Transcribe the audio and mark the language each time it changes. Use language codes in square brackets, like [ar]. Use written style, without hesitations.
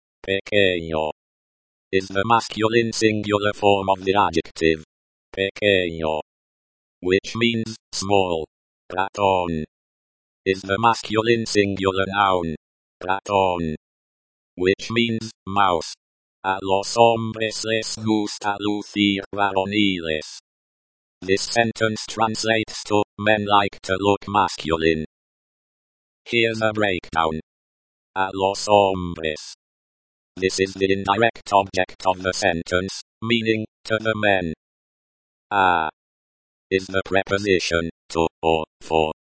[en] Pequeño is the masculine singular form of the adjective. Pequeño, which means, small. Ratón is the masculine singular noun. Ratón, which means, mouse. [es] A los hombres les gusta lucir varoniles. [en] This sentence translates to, men like to look masculine. Here's a breakdown. [es] A los hombres. [en] This is the indirect object of the sentence, meaning, to the men. A is the preposition, to, or, for.